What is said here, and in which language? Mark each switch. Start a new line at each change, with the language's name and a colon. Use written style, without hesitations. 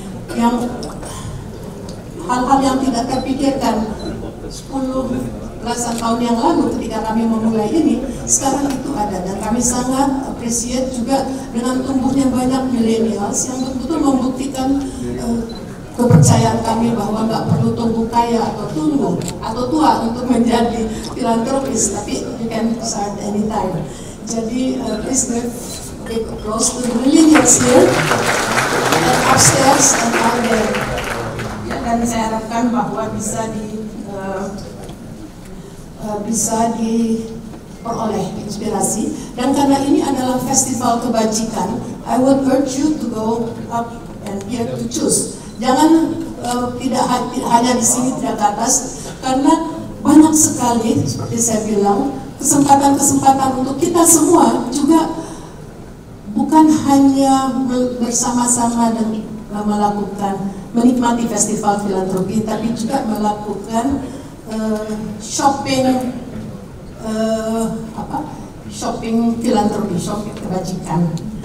Indonesian: Yang hal-hal yang tidak terpikirkan 10-15 tahun yang lalu ketika kami memulai ini, sekarang itu ada. Dan kami sangat appreciate juga dengan tumbuhnya banyak millennials yang betul-betul membuktikan kepercayaan kami bahwa nggak perlu tumbuh kaya atau tunggu atau tua untuk menjadi filantropis, tapi
English: you can start anytime.
Indonesian: Jadi
English: please give a close to the millennials here and upstairs and out there.
Indonesian: Dan saya harapkan bahwa bisa diperoleh inspirasi. Dan karena ini adalah festival kebajikan,
English: I would urge you to go up and here to choose.
Indonesian: Jangan hanya di sini tidak ke atas, karena banyak sekali, seperti saya bilang, kesempatan-kesempatan untuk kita semua juga bukan hanya bersama-sama dan melakukan menikmati festival filantropi, tapi juga melakukan shopping kebajikan.